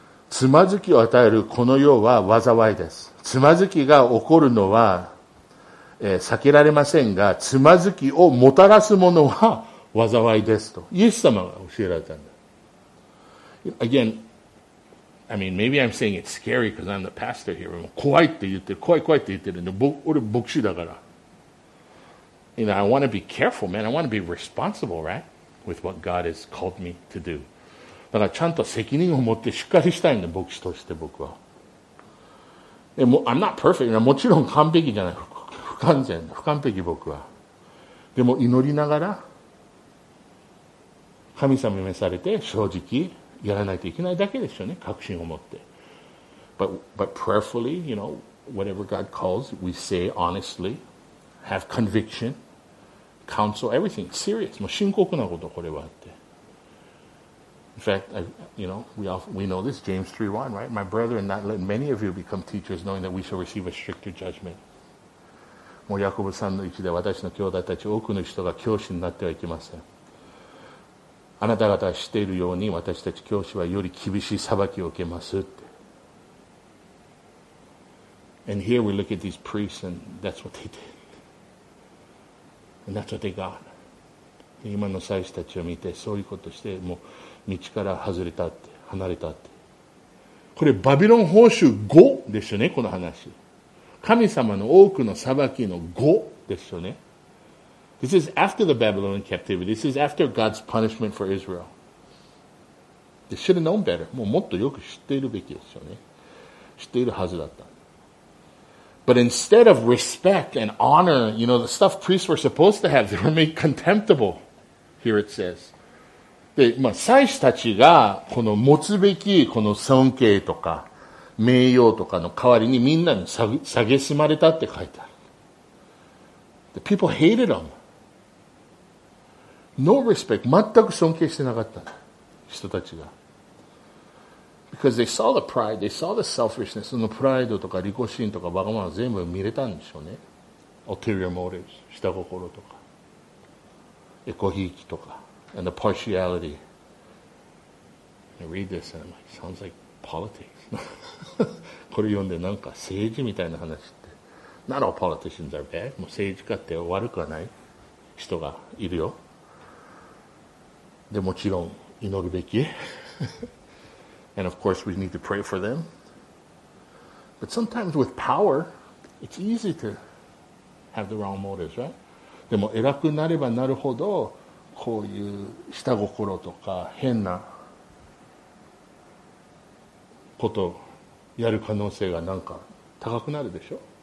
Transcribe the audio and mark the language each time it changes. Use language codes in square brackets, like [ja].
[ja] つまずきを与えるこの世は災いです。つまずきが起こるのは、避けられませんが、つまずきをもたらすものは災いですとイエス様が教えられたんだ。 [en] Again, I mean, maybe I'm saying it's scary because I'm the pastor here. [ja] 怖いって言ってる、怖い怖いって言ってるんで、俺牧師だから。 [en] You know, I want to be careful, man. I want to be responsible, right? With what God has called me to do. [ja] だからちゃんと責任を持ってしっかりしたいんだ、牧師として僕は。 [en] I'm not perfect. [ja] もちろん完璧じゃない。不完全、不完璧僕は。でも祈りながら、神様に召されて正直やらないといけないだけですよね、確信を持って。 [en] But prayerfully, you know, whatever God calls, we say honestly, have conviction, counsel, everything, serious. [ja] もう深刻なことこれはあって。 [en] In fact, we know this, James 3:1, right? My brethren, not let many of you become teachers, knowing that we shall receive a stricter judgment. [ja] もうヤコブ3:1で私の兄弟たち多くの人が教師になってはいけません。あなた方は知っているように私たち教師はより厳しい裁きを受けますって。 [en] And here we look at these priests and that's what they did. And that's what they got. [ja] 今の祭司たちを見てそういうことしてもう道から外れたって、離れたって。これバビロン報酬5ですよね、この話。神様の多くの裁きの5ですよね。 [en] This is after the Babylonian captivity. This is after God's punishment for Israel. They should have known better. [ja] もうもっとよく知っているべきですよね。知っているはずだった。 [en] But instead of respect and honor, you know, the stuff priests were supposed to have, they were made contemptible. Here it says. [ja] で、まあ、祭司たちがこの持つべきこの尊敬とか名誉とかの代わりにみんなに蔑まれたって書いてある。 [en] The people hated them. No respect. [ja] 全く尊敬してなかった人たちが。 [en] Because they saw the pride, they saw the selfishness. [ja] そのプライドとか利己心とかわがまま全部見れたんでしょうね。 [en] Ulterior motives. [ja] 下心とか。エコひいきとか。 [en] And the partiality. I read this and I'm like, sounds like politics. [ja] これ読んでなんか政治みたいな話って。 [en] Not all politicians are bad. [ja] もう政治家って悪くはない人がいるよ。でもちろん祈るべき。 [en] And of course we need to pray for them. But sometimes with power, it's easy to have the wrong motives, right? [ja] でも偉くなればなるほど、こういう下心とか変なことをやる可能性がなんか高くなるでしょ。